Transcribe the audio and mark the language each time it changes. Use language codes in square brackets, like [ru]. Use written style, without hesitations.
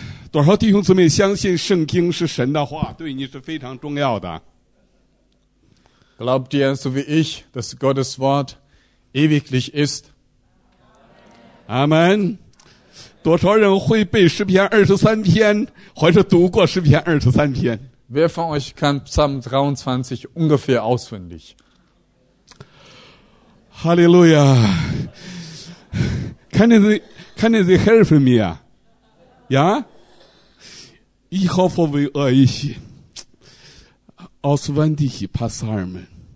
[zh] 多少弟兄姊妹相信圣经是神的话，对你是非常重要的。 [de] Glaubt ihr so wie ich, dass Gottes Wort ewiglich ist? Amen. [zh] 多少人会背诗篇23篇，或者读过诗篇23篇？ [de] Wer von euch kann Psalm 23 ungefähr auswendig? Halleluja. Können Sie helfen mir? Ja? Ich hoffe, wir euch auswendig Psalmen.